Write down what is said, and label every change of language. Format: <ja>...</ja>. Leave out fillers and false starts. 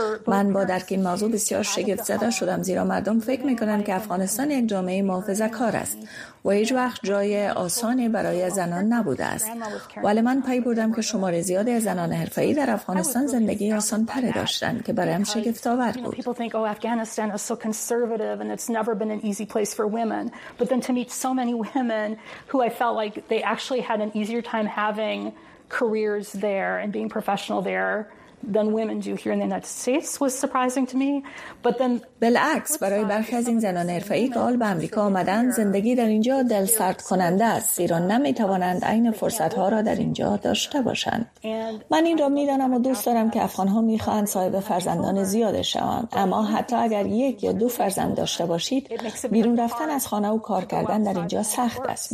<fa>من با درک این موضوع بسیار شگفت زده شدم، زیرا مردم فکر میکنند که افغانستان یک جامعه محافظه کار است و هیچ وقت جای آسانی برای زنان نبوده است. ولی من پی بردم که شمار زیادی از زنان حرفه‌ای در افغانستان زندگی آسان تر داشتند که برایم شگفت‌آور بود.</fa> <en>People think Afghanistan is so conservative and it's never been an easy place for women. But then to meet so many women who I felt like they actually had an easier time having careers there and being professional there than women do here in the United States was surprising to me. But then</en> <fa>بالعکس، برای برخی از این زنان حرفه‌ای که حال به امریکا آمدن، زندگی در اینجا دل سرد کننده است، زیرا نمی توانند عین فرصتها را در اینجا داشته باشند. من این را می دانم و دوست دارم که افغان ها می خواهند صاحب فرزندان زیاد شوند، اما حتی اگر یک یا دو فرزند داشته باشید، بیرون رفتن از خانه و کار کردن در اینجا سخت است.</fa>